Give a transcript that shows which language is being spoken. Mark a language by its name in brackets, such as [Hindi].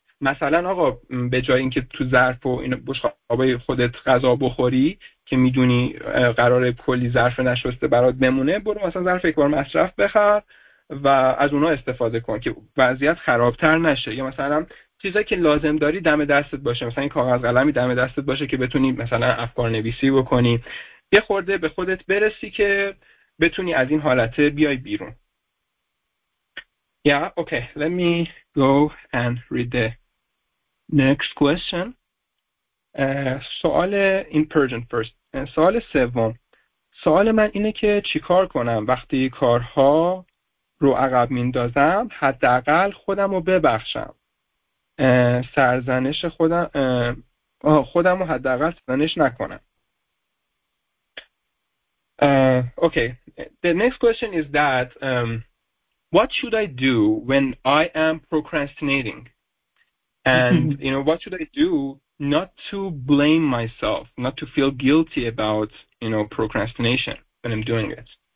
[Persian] مثلا آقا به جای اینکه تو ظرف و اینو بشقابای خودت غذا بخوری که میدونی قراره کلی ظرف نشسته برات بمونه، برو مثلا ظرف یک بار مصرف بخر و از اونا استفاده کن که وضعیت خرابتر نشه. یا مثلا چیزایی که لازم داری دم دستت باشه، مثلا این کاغذ قلمی دم دستت باشه که بتونی مثلا افکار نویسی بکنی، یه خورده به خودت برسی که بتونی از این حالت بیای بیرون. [English] Yeah, okay. Let me go and read the next question. [Persian] سوال [English] in Persian first. [Persian] سوال سوم. سوال من اینه که چیکار کنم وقتی کارها رو عقب میندازم، حداقل خودم رو ببخشم، سرزنش خودم رو حداقل سرزنش نکنم. [English] Okay, the next question is that what should I do when I am procrastinating, and you know, what should I do not to blame myself, not to feel guilty about, you know, procrastination when I'm doing it.